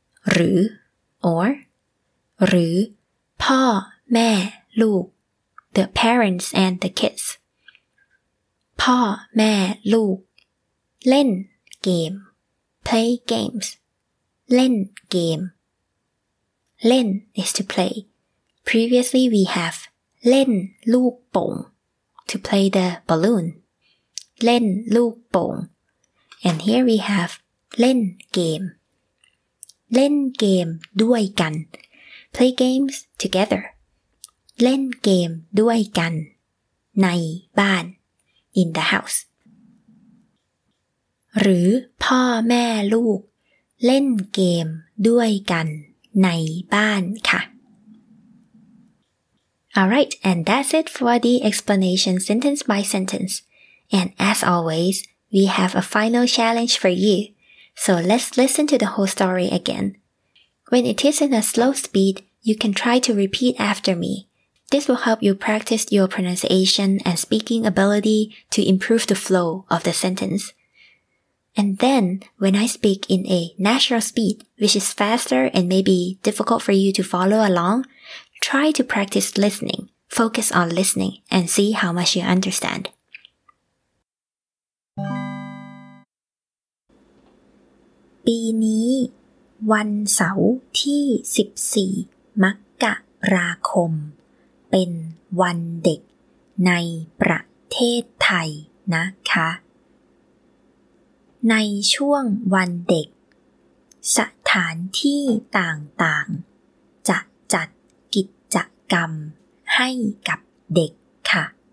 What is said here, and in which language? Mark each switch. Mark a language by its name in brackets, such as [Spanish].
[Thai] หรือ [English] or [Thai] หรือพ่อแม่ลูก [English] the parents and the kids. [Thai] พ่อแม่ลูกเล่นเกม [English] play games. [Thai] เล่นเกม เล่น [English] is to play. Previously we have [Thai] เล่นลูกโป่ง [English] to play the balloon. [Thai] เล่นลูกโป่ง [English] and here we have [Thai] เล่นเกมเล่นเกมด้วยกัน [English] play games together [Thai] เล่นเกมด้วยกันในบ้าน [English] in the house [Thai] หรือพ่อแม่ลูกเล่นเกมด้วยกันในบ้านค่ะ [English] alright and that's it for the explanation sentence by sentenceAnd as always, we have a final challenge for you. So let's listen to the whole story again. When it is in a slow speed, you can try to repeat after me. This will help you practice your pronunciation and speaking ability to improve the flow of the sentence. And then, when I speak in a natural speed, which is faster and maybe difficult for you to follow along, try to practice listening. Focus on listening and see how much you understand. [Thai] ปีนี้วันเสาร์ที่14มกราคมเป็นวันเด็กในประเทศไทยนะคะในช่วงวันเด็กสถานที่ต่างๆจะจัดกิจกรรมให้กับเด็กค่ะ